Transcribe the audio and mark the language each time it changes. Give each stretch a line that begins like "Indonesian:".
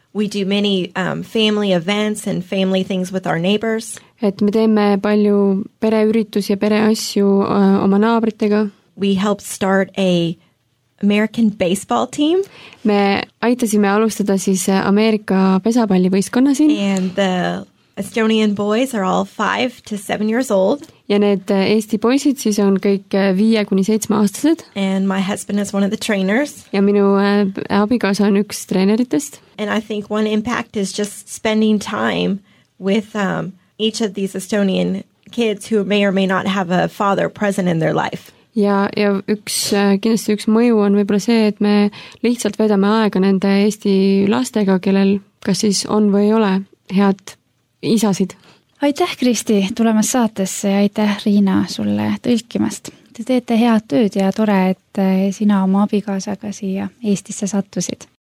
English: We do many family events and family things with our neighbors.
Estonian: Et me teeme palju pereüritus ja pereasju oma naabritega.
English: We help start a American baseball team.
Estonian: Me aitasime alustada siis Ameerika pesapallivõistkonna siin.
English: And the Estonian boys are all 5 to 7 years old.
Estonian: Ja need Eesti poisid siis on kõik 5 kuni 7 aastased.
English: And my husband is one of the trainers.
Estonian: Ja minu abikaasa on üks treeneritest.
English: And I think one impact is just spending time with each of these Estonian kids who may or may not have a father present in their life.
Estonian: Ja üks, kindlasti üks mõju on võib-olla see, et me lihtsalt vedame aega nende Eesti lastega, kellel kas siis on või ei ole head isasid. Aitäh, Kristi, tulemas saatesse ja aitäh, Riina, sulle tõlkimast. Te teete head tööd ja tore, et sina oma abikaasaga siia Eestisse sattusid.